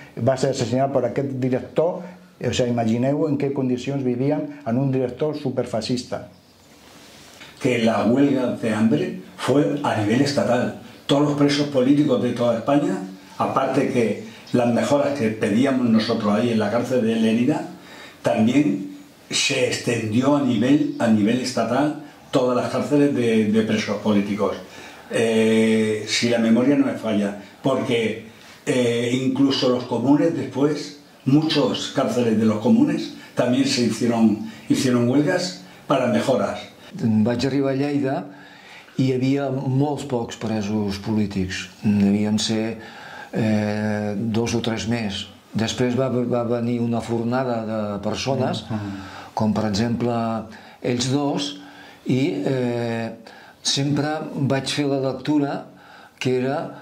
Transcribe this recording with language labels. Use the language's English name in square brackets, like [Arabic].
[Catalan] Va ser assassinat per aquest director, o sigui, imagineu en què condicions vivien en un director superfascista. [Spanish] Que la huelga de hambre fue a nivel estatal. Todos los presos políticos de toda España, aparte que las mejoras que pedíamos nosotros ahí en la cárcel de Lérida, también se extendió a nivel estatal todas las cárceles de presos políticos. si la memoria no me falla, porque incluso los comunes después, muchos cárceles de los comunes también se hicieron huelgas para mejoras. [Catalan] Vaig arribar a Lleida i hi havia molt pocs presos polítics, devien ser dos o tres més. Després va venir una fornada de persones, com per exemple ells dos, i sempre vaig fer la lectura que era